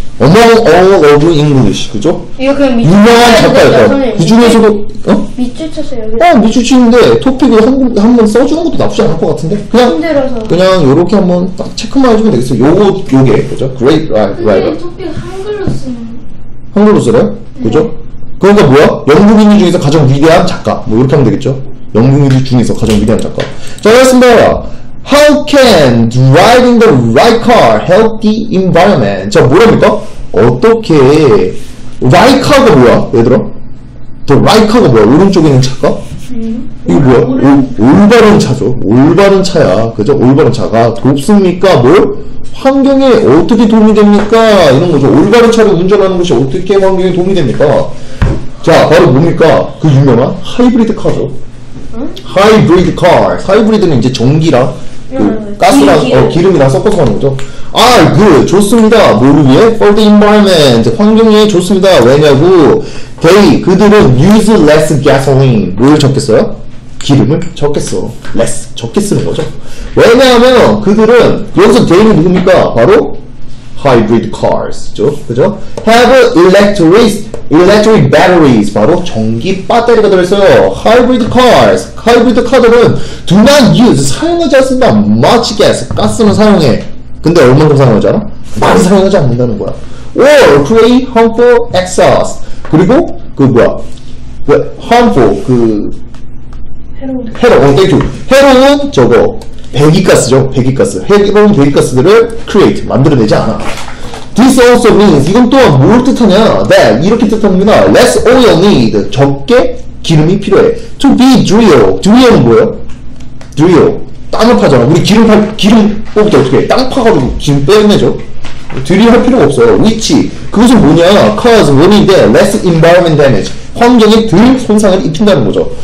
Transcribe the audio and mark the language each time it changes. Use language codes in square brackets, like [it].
[en] Among all of English, 그죠? [ko] 유명한 작가였다. 이 중에서도, 어? 밑줄 쳐서 여기. 밑줄 치는데, 토픽을 한번 써주는 것도 나쁘지 않을 것 같은데? 그냥, 힘들어서. 그냥, 요렇게 한번 딱 체크만 해주면 되겠어요. 요거, 요게, 그죠? Great Writer. 토픽 한글로 쓰는. 한글로 쓰래요? 그죠? 네. 그러니까 뭐야? 영국인 중에서 가장 위대한 작가. 뭐, 이렇게 하면 되겠죠? 영국인 중에서 가장 위대한 작가. 자, 됐습니다. [en] How can driving the right car help the environment? [ko] 자, 뭐랍니까? 어떻게, right car가 뭐야, 얘들아? The right car가 뭐야? 오른쪽에 있는 차가? 이게 뭐야? 올바른 차죠. 올바른 차야. 그죠? 올바른 차가 돕습니까? 뭘? 환경에 어떻게 도움이 됩니까? 이런 거죠. 올바른 차를 운전하는 것이 어떻게 환경에 도움이 됩니까? 자, 바로 뭡니까? 그 유명한 하이브리드 카죠. 하이브리드 카. 하이브리드는 이제 전기랑 그 가스랑 기름이랑 섞어서 하는 거죠. 아, 그 좋습니다. 뭐를 위해? [en] For the environment. [ko] 환경에 좋습니다. 왜냐고? [en] They [ko] 그들은 [en] use less gasoline. [ko] 뭘 적겠어요? 기름을 적겠어. less 적게 쓰는 거죠. 왜냐하면 그들은 여기서 they는 누굽니까? 바로 [en] hybrid cars, [ko] 그죠? [en] Have electric batteries, [ko] 바로 전기 배터리가 들어있어요. [en] Hybrid cars, hybrid car들은 do not use, [ko] 사용하지 않습니다. [en] Much gas, [ko] 가스는 사용해. 근데 얼마큼 사용하지 않아? 많이 사용하지 않는다는 거야. [en] Or create harmful exhaust. [ko] 그리고, 그 뭐야, 그 harmful, 그, 해로운, 땡큐. 해로운, 저거. 배기가스죠. 배기가스. 해로운 배기가스들을 create, 만들어내지 않아. [en] This also means, [ko] 이건 또한 뭘 뜻하냐. [en] That, [ko] 이렇게 뜻합니다. [en] Less oil need, [ko] 적게 기름이 필요해. [en] To be drill. Drill은 뭐예요? Drill. [ko] 땅을 파잖아. 우리 기름 파, 기름 뽑을 때 어떻게 해? 땅 파가지고 기름 빼내죠. Drill 할 필요가 없어요. Which, 그것은 뭐냐. [en] Cause, when in there, less environment damage. [ko] 환경에 덜 손상을 입힌다는 거죠.